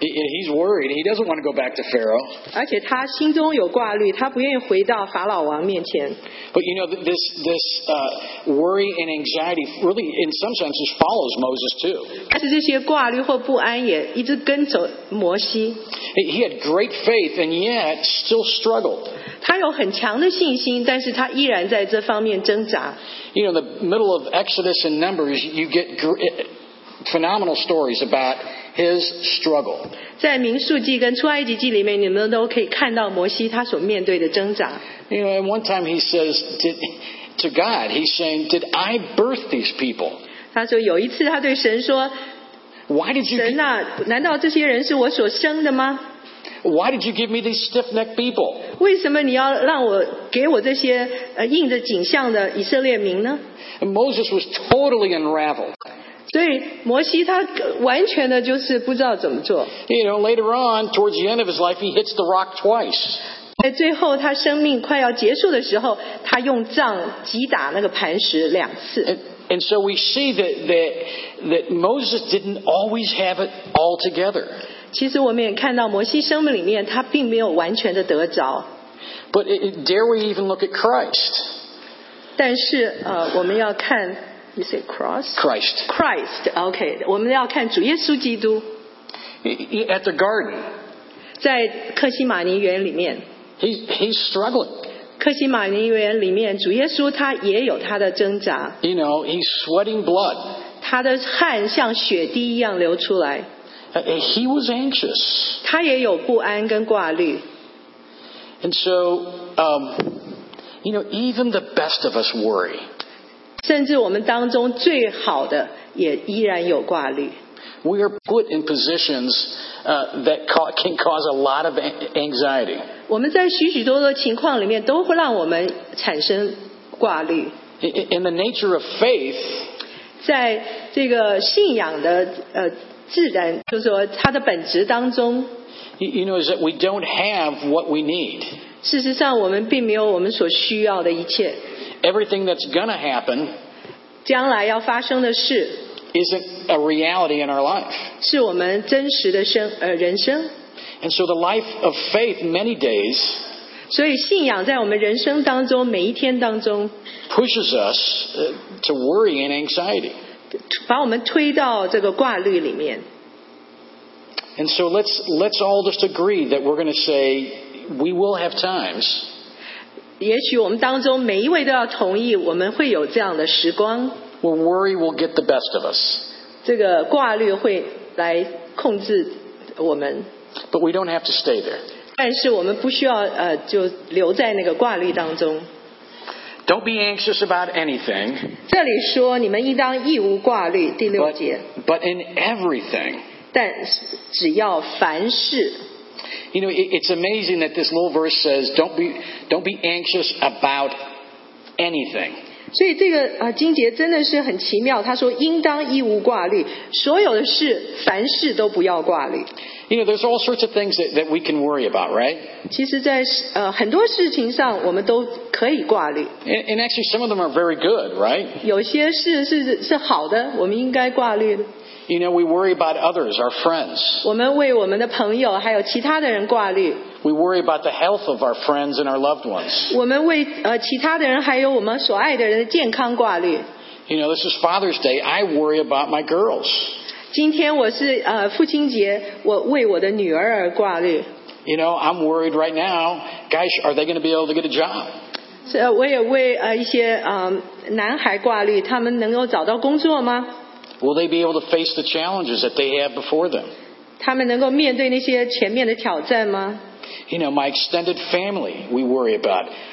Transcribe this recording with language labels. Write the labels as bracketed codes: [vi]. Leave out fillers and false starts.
[en] He's worried. He doesn't want to go back to Pharaoh. [zh] 而且他心中有挂虑，他不愿意回到法老王面前。 [en] But you know, this worry and anxiety really, in some sense, just follows Moses too. [zh] 但是这些挂虑或不安也一直跟着摩西。 [en] He had great faith and yet still struggled. [zh] 他有很强的信心，但是他依然在这方面挣扎。 [en] You know, in the middle of Exodus and Numbers, you get phenomenal stories about his struggle. [zh] 在民数记跟出埃及记里面，你们都可以看到摩西他所面对的挣扎。 [en] You know, and one time he says to God, he's saying, "Did I birth these people?" [zh] 他说有一次他对神说 [en] ，Why did you? [zh] 神啊，难道这些人是我所生的吗？ [en] Why did you give me these stiff-necked people? [zh] 为什么你要让我给我这些硬着颈项的以色列民呢？ [en] And Moses was totally unraveled. [zh] 所以摩西他完全的就是不知道怎么做。 [en] You know, later on, towards the end of his life, he hits the rock twice. [zh] 在最后他生命快要结束的时候，他用杖击打那个磐石两次。 [en] And so we see that Moses didn't always have it all together. [zh] 其实我们也看到摩西生命里面他并没有完全的得着 [en] But dare we even look at Christ? [zh] 但是、我们要看 [en] You say cross? Christ Christ, okay [zh] 我们要看主耶稣基督 [en] At the garden [zh] 在克西马尼园里面 [en] He's struggling [zh] 克西马尼园里面主耶稣他也有他的挣扎 [en] You know, he's sweating blood [zh] 他的汗像血滴一样流出来 [en] He was anxious. [zh] 他也有不安跟挂虑。 [en] And so, you know, even the best of us worry. [zh] 甚至我们当中最好的也依然有挂虑。 [en] We are put in positions that can cause a lot of anxiety. [zh] 我们在许许多多情况里面都会让我们产生挂虑。 [en] In the nature of faith, [zh] 在这个信仰的自然就是说他的本质当中 [en] You know, is that we don't have what we need. [zh] 事实上我们并没有我们所需要的一切 [en] Everything that's gonna happen [zh] 将来要发生的事 [en] isn't a reality in our life. [zh] 是我们真实的人生 [en] And so the life of faith many days [zh] 所以信仰在我们人生当中每一天当中 [en] pushes us to worry and anxiety. [zh] 把我们推到这个挂虑里面。 [en] And so let's all just agree that we're going to say we will have times. [zh] 也许我们当中每一位都要同意，我们会有这样的时光。 [en] Where worry will get the best of us. [zh] 这个挂虑会来控制我们。 [en] But we don't have to stay there. [zh] 但是我们不需要就留在那个挂虑当中。 [en] Don't be anxious about anything. [zh] 这里说你们应当义无挂虑第六节 [en] but in everything. [zh] 但只要凡事 [en] You know, it's amazing that this little verse says, don't be anxious about anything. [zh] 所以这个经节真的是很奇妙他说应当义无挂虑所有的事凡事都不要挂虑 [en] You know, there's all sorts of things that we can worry about, right? [zh] 其实在很多事情上我们都可以挂虑 [en] And actually some of them are very good, right? [zh] 有些事是好的我们应该挂虑 [en] You know, we worry about others, our friends [zh] 我们为我们的朋友还有其他的人挂虑 [en] We worry about the health of our friends and our loved ones. [zh] 我们为其他的人还有我们所爱的人的健康挂虑。 [en] You know, this is Father's Day. I worry about my girls. [zh] 今天我是父亲节，我为我的女儿而挂虑。 [en] You know, I'm worried right now. Guys, are they going to be able to get a job? [zh] 我也为一些男孩挂虑，他们能够找到工作吗？ [en] Will they be able to face the challenges that they have before them? [zh] 他们能够面对那些前面的挑战吗？ [en] You know, my extended family, we worry about.